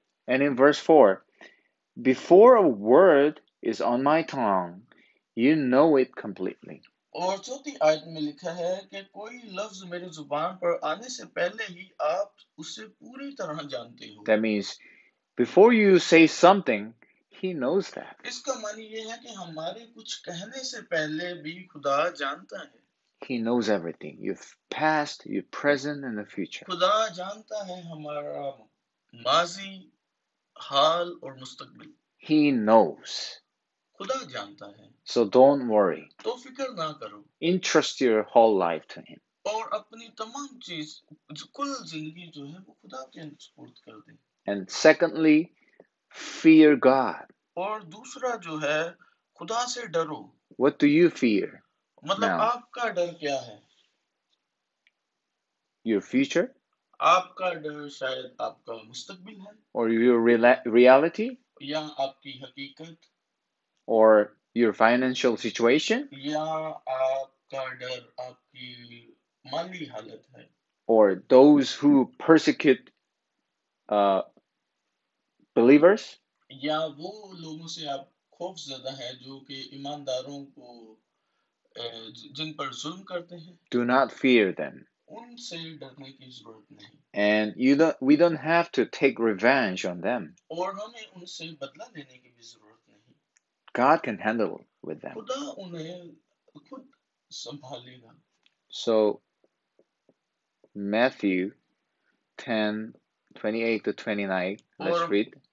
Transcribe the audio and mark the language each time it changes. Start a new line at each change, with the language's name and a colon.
English: And in verse 4, Before a word is on my tongue, you know it completely.
Hindi: और चौथी आयत में लिखा है कि कोई लफ्ज मेरी जुबान पर आने से पहले ही आप उसे पूरी तरह जानते हो.
English: That means, before you say something, he knows that.
Hindi: इसका मतलब ये है कि हमारे कुछ कहने से पहले भी खुदा जानता है.
English: He knows everything, your past, your present and the future.
Hindi: खुदा जानता है हमारा माजी, हाल और मुस्तकबिल.
English: He knows.
Hindi: खुदा जानता है.
English: So don't worry.
Hindi: तो फिकर ना करो.
English: Entrust your whole life to him.
Hindi: और अपनी तमाम चीज कुल जिंदगी जो है वो खुदा के सुपुर्द कर दे.
English: And secondly, fear God.
Hindi: और दूसरा जो है खुदा से डरो.
English: What do you fear?
Hindi: मतलब
English: now?
Hindi: आपका डर क्या है?
English: Your future?
Hindi: आपका डर शायद आपका मुस्तकबिल है.
English: Or your reality?
Hindi: या आपकी हकीकत.
English: Or your financial situation?
Hindi: या आपका डर आपकी माली हालत है.
English: or those who persecute believers.
Hindi: या वो लोगों से आप खौफ ज्यादा है जो कि ईमानदारों को जिन पर जुल्म करते हैं
English: Do not fear them.
Hindi: उनसे डरने की जरूरत नहीं
English: And we don't have to take revenge on them.
Hindi: और हमें उनसे बदला लेने की भी जरूरत नहीं,
English: God can handle with them.
Hindi: खुदा उन्हें खुद संभालेगा।
English: So Matthew 10:28-29, let's
Hindi: और
English: read